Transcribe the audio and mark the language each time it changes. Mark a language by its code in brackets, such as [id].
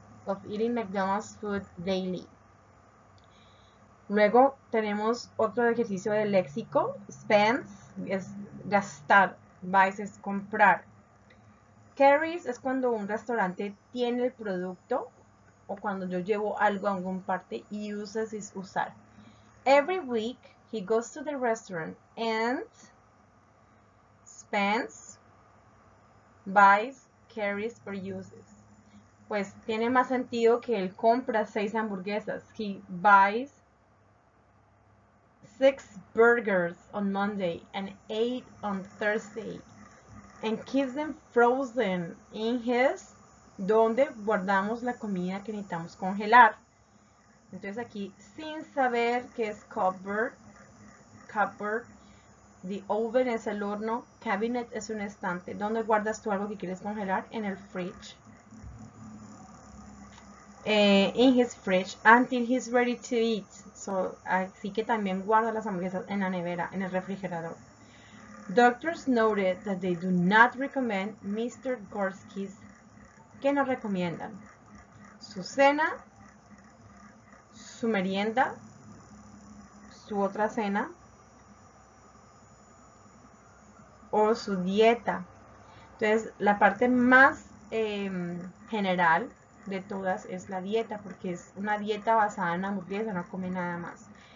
[en] Of eating McDonald's food daily. [es] Luego tenemos otro ejercicio de léxico, spends, es gastar, buys es comprar. Carries es cuando un restaurante tiene el producto o cuando yo llevo algo a alguna parte, y uses es usar. [en] Every week he goes to the restaurant and spends, buys, carries or uses. [es] Pues tiene más sentido que él compra 6 hamburguesas, [en] he buys 6 burgers on Monday and 8 on Thursday and keeps them frozen in his, [es] donde guardamos la comida que necesitamos congelar. Entonces aquí, sin saber qué es cupboard, the oven es el horno, cabinet es un estante, donde guardas tú algo que quieres congelar, en el fridge. [en] In his fridge until he's ready to eat. [es] So, así que también guarda las hamburguesas en la nevera, en el refrigerador. [en] Doctors noted that they do not recommend Mr. [es] Gorski's. ¿Qué nos recomiendan? Su cena, su merienda, su otra cena o su dieta. Entonces, la parte más general de todas es la dieta, porque es una dieta basada en hamburguesa, no come nada más.